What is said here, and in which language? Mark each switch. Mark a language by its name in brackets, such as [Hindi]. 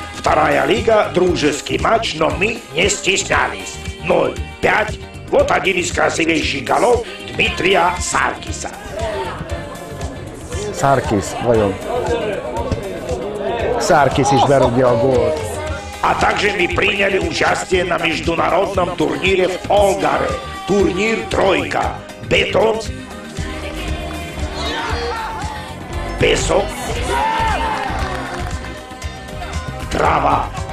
[Russian] Вторая лига, дружеский матч, но мы не стеснялись. 0-5, вот один из красивейших голов Дмитрия Саркиса. Саркис, вайон. [Hungarian] Саркис is berúgja a gólt. [Russian] А также мы приняли участие на международном турнире в Олгаре. Турнир «Тройка». Бетон. Песок. Трава.